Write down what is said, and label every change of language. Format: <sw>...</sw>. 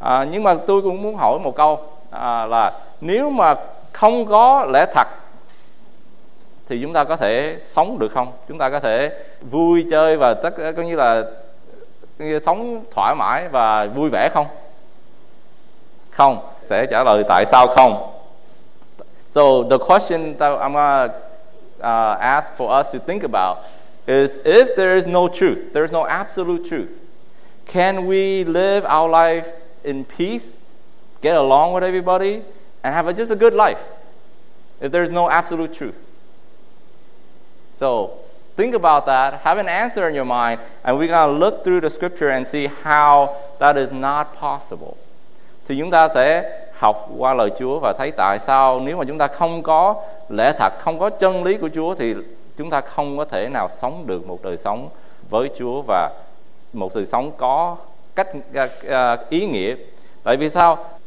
<vi>Nhưng mà tôi cũng muốn hỏi một câu là nếu mà không có lẽ thật thì chúng ta có thể sống được không? Chúng ta có thể vui chơi và tất cả coi như là sống thoải mái và vui vẻ không? Không. Sẽ trả lời tại sao không.</vi> <en>So the question that I'm gonna ask for us to think about is, if there is no truth, there is no absolute truth, can we live our life in peace, get along with everybody, and have just a good life if there is no absolute truth? So think about that, have an answer in your mind, and we're going to look through the scripture and see how that is not possible.</en> <vi>Thì chúng ta sẽ học qua lời Chúa và thấy tại sao nếu mà chúng ta không có lẽ thật, không có chân lý của Chúa, thì chúng ta không có thể nào sống được một đời sống với Chúa và một đời sống có cách ý nghĩa. Tại vì sao?</vi>